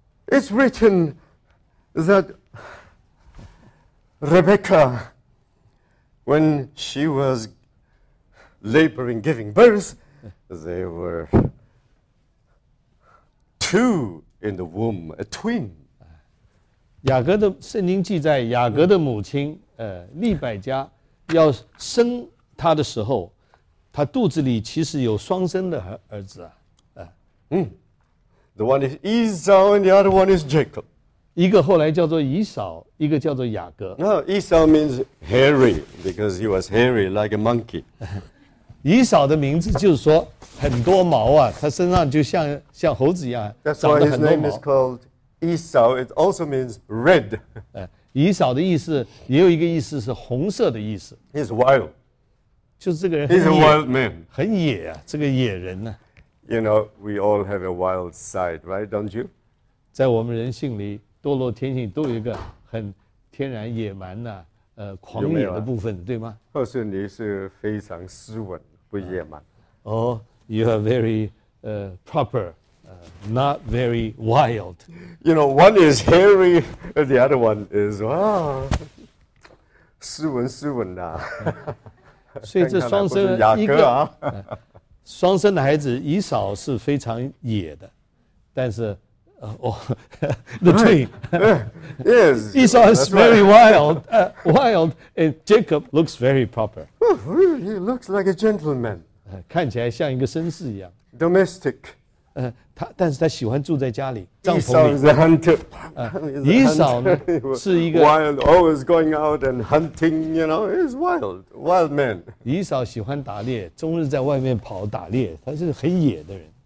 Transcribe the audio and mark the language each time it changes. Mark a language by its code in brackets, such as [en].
[en] It's written that Rebecca, when she was laboring, giving birth, there were two in the womb, a twin. [zh] 雅各的圣经记载，雅各的母亲利百加要生他的时候，他肚子里其实有双生的儿子啊。 [en] The one is Esau and the other one is Jacob. [zh] 一个后来叫做以扫，一个叫做雅各。 [en] No, Esau means hairy because he was hairy like a monkey. [zh] 以扫的名字就是说很多毛啊，他身上就像猴子一样。 [en] That's why his name is called Esau. It also means red. [zh] 以扫的意思也有一个意思是红色的意思。 [en] He's wild. [zh] 就是这个人。 [en] He's a wild man. [zh] 很野啊，这个野人呢、啊。 [en] You know, we all have a wild side, right? Don't you? [zh] 在我们人性里，堕落天性都有一个很天然野蛮的、狂野的部分，有有、对吗？或是你是非常斯文，不野蛮。 [en] Oh, you are very proper, not very wild. You know, one is hairy, the other one is, wow, [zh] 斯文的、 [en] 啊。 [zh] 所以这双生雅各啊。双生的孩子以扫是非常野的，但是， [en] the twin, yes, Esau is very wild, wild, and Jacob looks very proper. Really, he looks like a gentleman. [zh] 看起来像一个绅士一样。 [en] Domestic. [zh] 但是他喜欢住在家里，帐篷里。 [en] Esau is a hunter. [zh] 以扫呢是一个 [en] wild, always going out and hunting. You know, he's wild, wild man. [zh] 以扫喜欢打猎，终日在外面跑打猎，他是很野的人。